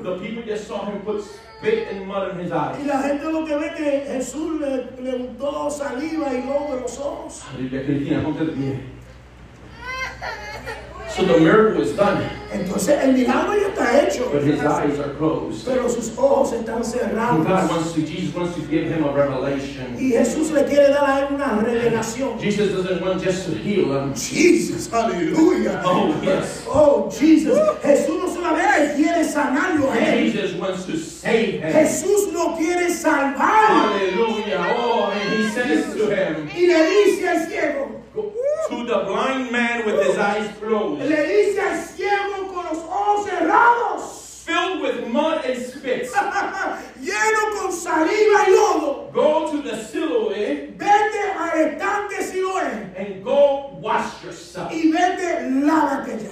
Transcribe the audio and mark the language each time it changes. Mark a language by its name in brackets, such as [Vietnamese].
[English] The people just saw him put spit and mud in his eyes. [Spanish] Y la gente lo que ve que Jesús le untó saliva y lodo en los ojos. Aleluya, Cristina, ponte de pie. [English] So the miracle is done. [Spanish] Entonces el milagro ya está hecho. [English] But his eyes are closed. [Spanish] Pero sus ojos están cerrados. [English] And God wants to, Jesus wants to give him a revelation. [Spanish] Y Jesús le quiere dar a él una revelación. [English] Jesus doesn't want just to heal him. Jesus, hallelujah. Oh yes. [Spanish] Oh Jesus. Jesús no solamente quiere sanarlo a él. [English] Jesus wants to save him. [Spanish] Jesús no quiere salvarlo. [English] Hallelujah. Oh, and he says to him. [Spanish] Y le dice al ciego. [English] To the blind man with his eyes closed. [Spanish] Le dice al ciego con los ojos cerrados. [English] Filled with mud and spit. [Spanish] Lleno con saliva y lodo. [English] Go to the Siloé. [Spanish] Vete al estanque Siloé. [English] And go wash yourself. [Spanish] Y vete, lávate ya.